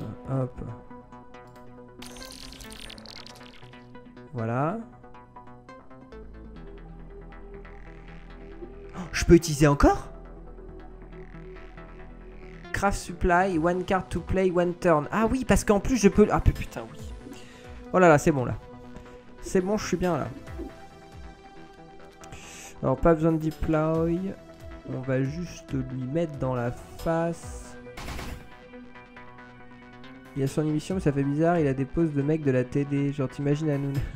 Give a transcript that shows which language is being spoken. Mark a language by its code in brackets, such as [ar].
[fr] Hop. Voilà. Je peux utiliser encore ? [en] Craft supply, one card to play, one turn. [fr] Ah oui, parce qu'en plus je peux... Ah putain, oui. Oh là là, c'est bon là. C'est bon, je suis bien là. Alors, pas besoin de deploy. On va juste lui mettre dans la face. Il a son émission, mais ça fait bizarre. Il a des poses de mec de la TD. Genre, t'imagines Hanoun.